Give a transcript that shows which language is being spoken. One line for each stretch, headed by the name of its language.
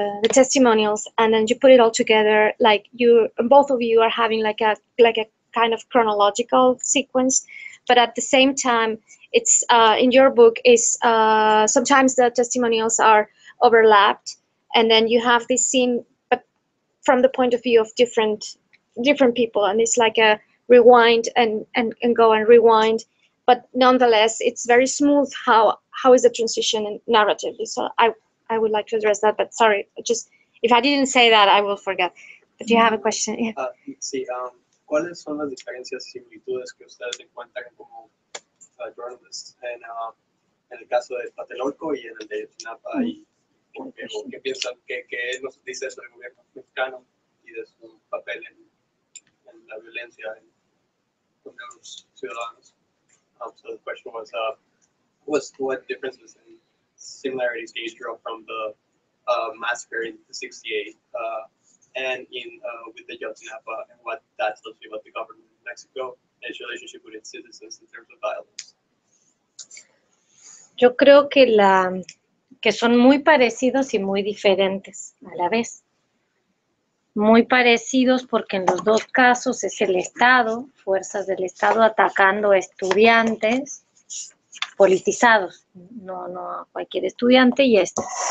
English: testimonials, and then you put it all together, like you, both of you are having like a kind of chronological sequence, but at the same time, it's in your book is sometimes the testimonials are overlapped, and then you have this scene, but from the point of view of different people, and it's like a rewind and go and rewind, but nonetheless, it's very smooth. How is the transition narratively? So I would like to address that, but sorry, just if I didn't say that, I will forget. But you have a question? Yeah.
Spanish: ¿Cuáles son las diferencias y similitudes que ustedes encuentran como journalists en el caso de Tlatelolco y en el de Ayotzinapa? ¿Y qué piensan? ¿Qué nos dice eso del gobierno mexicano y de su papel en la violencia contra los ciudadanos?
English: So the question was, what differences and similarities do you draw from the massacre in '68? And in with the Ayotzinapa, and what that tells you about the government in Mexico and its relationship with its citizens in terms of violence.
Spanish: Yo creo que son muy parecidos y muy diferentes a la vez. Muy parecidos porque en los dos casos es el Estado, fuerzas del Estado atacando a estudiantes politizados, no a cualquier estudiante y esto.